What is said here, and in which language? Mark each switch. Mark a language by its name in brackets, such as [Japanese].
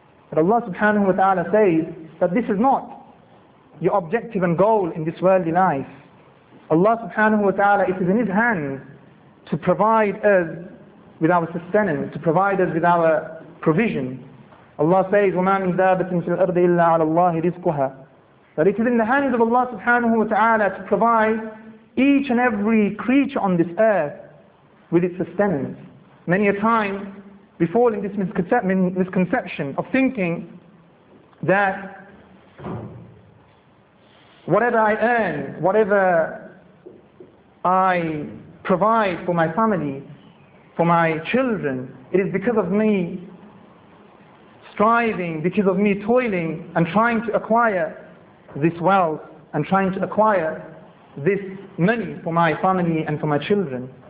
[English] But Allah subhanahu wa ta'ala says that this is not your objective and goal in this worldly life. Allah subhanahu wa ta'ala, it is in His hands to provide us with our sustenance, to provide us with our provision. Allah says, [Arabic] وَمَا مِنْ دَابَةٍ فِي الْأَرْضِ إِلَّا عَلَى اللَّهِ رِزْقُهَا. [English] That it is in the hands of Allah subhanahu wa ta'ala to provide each and every creature on this earth with its sustenance. Many a time we fall in this misconception of thinking that whatever I earn, whatever I provide for my family, for my children, it is because of me striving, because of me toiling and trying to acquire this wealth and trying to acquire this money for my family and for my children.